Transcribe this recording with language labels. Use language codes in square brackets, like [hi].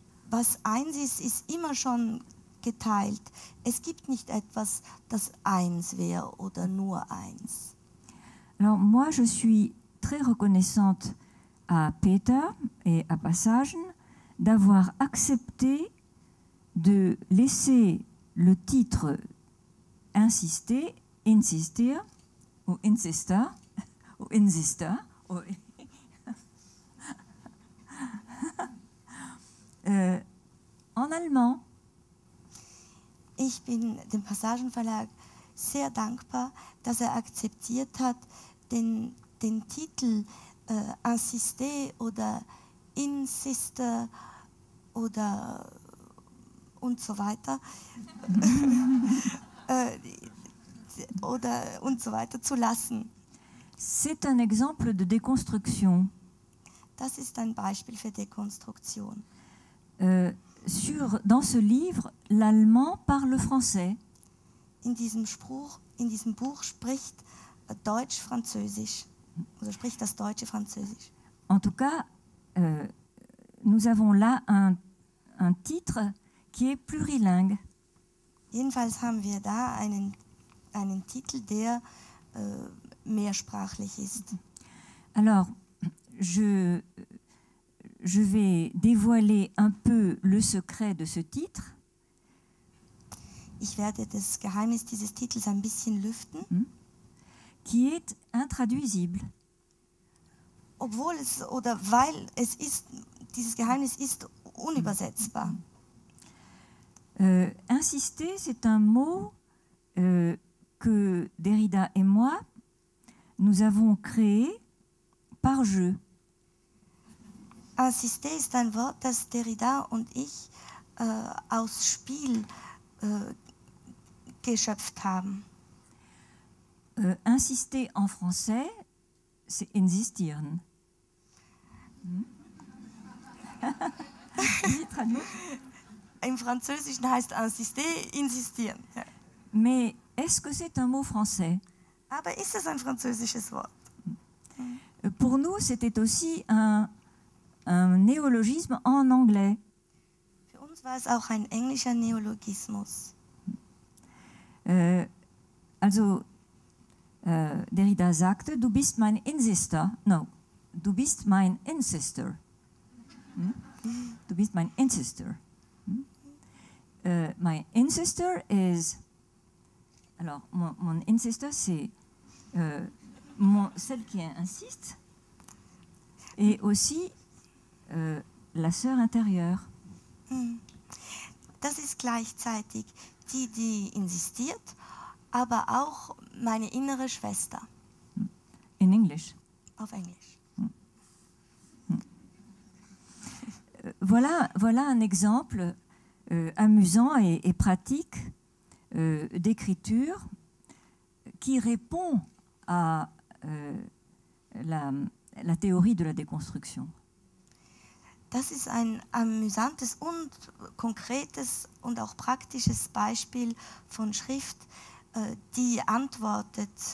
[de] Was eins ist, ist immer schon geteilt. Es gibt nicht etwas, das eins wäre oder nur eins. [fr] Alors moi je suis très reconnaissante à Peter et à Passagen d'avoir accepté de laisser le titre insister en allemand. [de] Ich bin dem Passagenverlag sehr dankbar, dass er akzeptiert hat, den Titel Insisté oder Insiste oder und so weiter oder und so weiter zu lassen. [fr] C'est un exemple de déconstruction. [de] Das ist ein Beispiel für Dekonstruktion. [fr] Dans ce livre, l'allemand parle français. [de] In diesem Buch spricht Deutsch Französisch. Oder spricht das Deutsche Französisch. [fr] En tout cas, nous avons là un titre qui est plurilingue. [de] Jedenfalls haben wir da einen Titel, der mehrsprachlich ist. [fr] Alors, je vais dévoiler un peu le secret de ce titre. [de] Ich werde das Geheimnis dieses Titels ein bisschen lüften. [fr] Qui est intraduisible. [de] Obwohl es oder weil es ist, dieses Geheimnis ist unübersetzbar. [fr] Insister, c'est un mot que Derrida et moi nous avons créé par jeu. [de] Insister ist ein Wort, das Derrida und ich aus Spiel geschöpft haben. [fr] Insister en français, c'est insistieren. [de] Im Französischen heißt insister, insistieren. [fr] Mais est-ce que c'est un mot français? [de] Aber ist es ein französisches Wort? [fr] Pour nous, c'était aussi un néologisme en anglais. [de] Für uns war es auch ein englischer Neologismus. Derrida sagte, du bist mein Insister. No, du bist mein Insister. Du bist mein Insister. Mein Insister ist, [fr] alors, mon Insister, c'est celle qui insiste, et aussi la sœur intérieure. [de] Das ist gleichzeitig die, die insistiert, aber auch meine innere Schwester. In Englisch. Auf Englisch. [fr] Voilà un exemple amusant et pratique d'écriture qui répond à la théorie de la déconstruction. [de] Das ist ein amüsantes und konkretes und auch praktisches Beispiel von Schrift, die antwortet